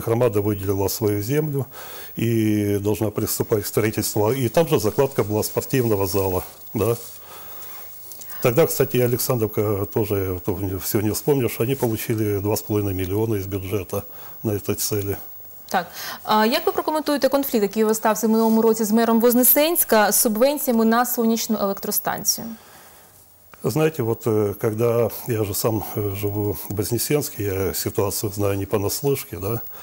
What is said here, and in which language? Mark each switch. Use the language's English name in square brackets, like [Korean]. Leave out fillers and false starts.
[Russian] Громада выделила свою землю и должна приступать к строительству. И там же закладка была спортивного зала, да? Тогда, кстати, Александровка тоже, все не вспомнишь, они получили 2,5 миллиона из бюджета на этой цели. Так. [Ukrainian] А як ви прокоментуєте конфлікт, який стався в минулому році з мером Вознесенська, з субвенціями на сонячну електростанцію? [Russian] Знаете, вот когда я же сам живу в Вознесенске, я ситуацию знаю не понаслышке, да?